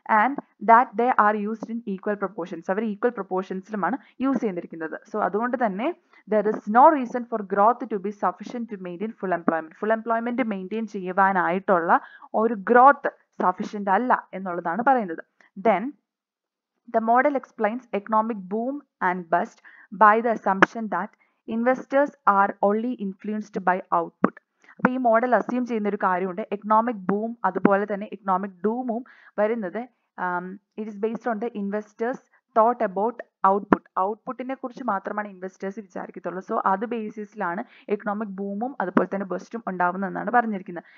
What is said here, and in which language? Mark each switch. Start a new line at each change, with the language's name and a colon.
English: And that they are used in equal proportions.
Malayalam: Hour equal പ്രൊപ്പോർഷൻസിലുമാണ് use ചെയ്തിരിക്കുന്നത്.
English: so
Malayalam: അതുകൊണ്ട് തന്നെ
English: there is no reason for growth to be sufficient to maintain
Malayalam: full employment. Full employment maintain ചെയ്യുവാനായിട്ടുള്ള ഒരു growth sufficient അല്ല എന്നുള്ളതാണ് പറയുന്നത്.
English: Then the model explains economic boom and bust. by the assumption that investors are only influenced by output.
Malayalam: അപ്പൊ ഈ model assume ചെയ്യുന്ന ഒരു കാര്യമുണ്ട്, economic boom അതുപോലെ തന്നെ എക്കണോമിക് ഡൂമും വരുന്നത്
English: It is based on the investors thought about output.
Malayalam: ഔട്ട്പുട്ടിനെ കുറിച്ച് മാത്രമാണ് ഇൻവെസ്റ്റേഴ്സ് വിചാരിക്കത്തുള്ളൂ. സോ അത് ബേസിസിലാണ് എക്കണോമിക് ബൂമും അതുപോലെ തന്നെ ബസ്റ്റും ഉണ്ടാവുന്നതെന്നാണ് പറഞ്ഞിരിക്കുന്നത്.